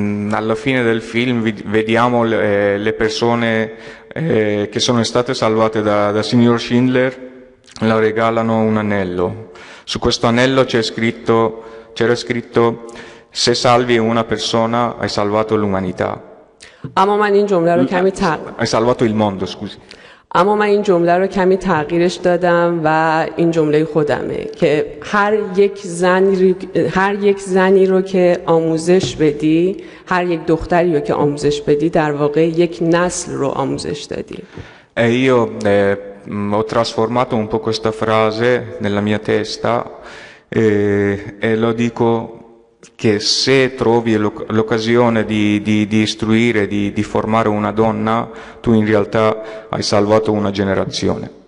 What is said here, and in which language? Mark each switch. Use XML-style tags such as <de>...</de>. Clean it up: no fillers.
<it>Alla fine del film vediamo le persone che sono state salvate da signor Schindler, la regalano un anello. Su questo anello c'era scritto se salvi una persona hai salvato l'umanità.</it> <fa>اما من این جمله رو کمی</fa> <it>هai salvato il mondo, scusi.</it> <fa>اما من این جمله رو کمی تغییرش دادم و این جمله خودمه که هر یک زنی رو که آموزش بدی، هر یک دختری رو که آموزش بدی، در واقع یک نسل رو آموزش دادی.</fa> <it>Io ho trasformato un po' questa frase nella mia testa e lo dico che se trovi l'occasione di istruire, di formare una donna, tu in realtà hai salvato una generazione.</it>